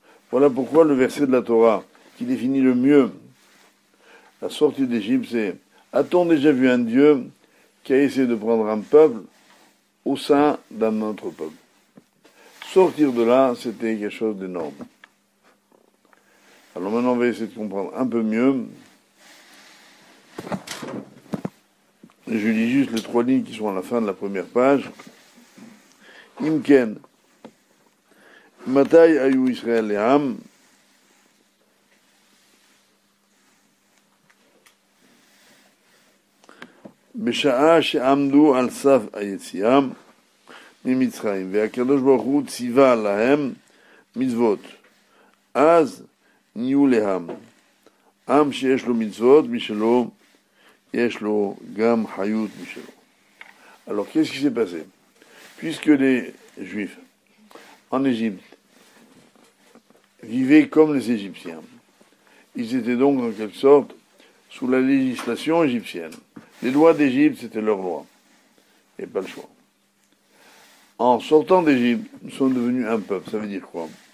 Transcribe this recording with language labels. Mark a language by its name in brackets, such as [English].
[French] Voilà pourquoi le verset de la Torah, qui définit le mieux la sortie d'Égypte, c'est « A-t-on déjà vu un Dieu qui a essayé de prendre un peuple au sein d'un autre peuple ?» Sortir de là, c'était quelque chose d'énorme. Alors maintenant, on va essayer de comprendre un peu mieux. Je lis juste les trois lignes qui sont à la fin de la première page. [Hebrew] « Imken, Matai ayu Israël et Ham » בשעה שעמדו על סף היציאה ממצרים, והקדוש ברוך הוא ציווה להם מצוות, אז נהיו להם. עם שיש לו מצוות משלו, יש לו גם חיות משלו. [French] Alors, qu'est-ce qui s'est passé? Puisque les Juifs en Égypte vivaient comme les Égyptiens, ils étaient donc en quelque sorte sous la législation égyptienne. Les lois d'Égypte, c'était leur loi. Et pas le choix. En sortant d'Égypte, nous sommes devenus un peuple. Ça veut dire quoi?